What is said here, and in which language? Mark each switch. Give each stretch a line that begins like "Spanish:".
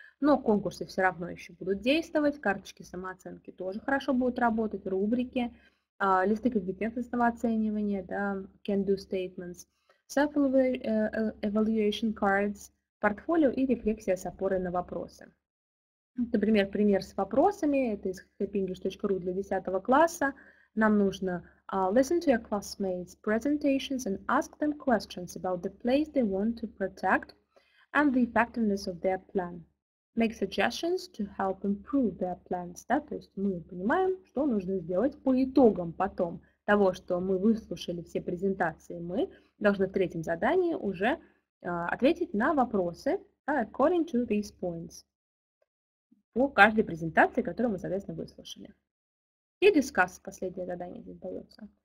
Russian: Но конкурсы все равно еще будут действовать, карточки самооценки тоже хорошо будут работать, рубрики, листы компетентностного оценивания, да, can-do statements, self-evaluation cards, портфолио и рефлексия с опорой на вопросы. Например, пример с вопросами, это из happyenglish.ru для 10 класса. Нам нужно
English: listen to your classmates' presentations and ask them questions about the place they want to protect and the effectiveness of their plan. Make suggestions to help improve their plans. Да?
Russian: То есть мы понимаем, что нужно сделать по итогам потом того, что мы выслушали все презентации. Мы должны в третьем задании уже ответить на вопросы
English: according to these points.
Russian: По каждой презентации, которую мы, соответственно, выслушали. И дискасс, последнее задание здесь дается.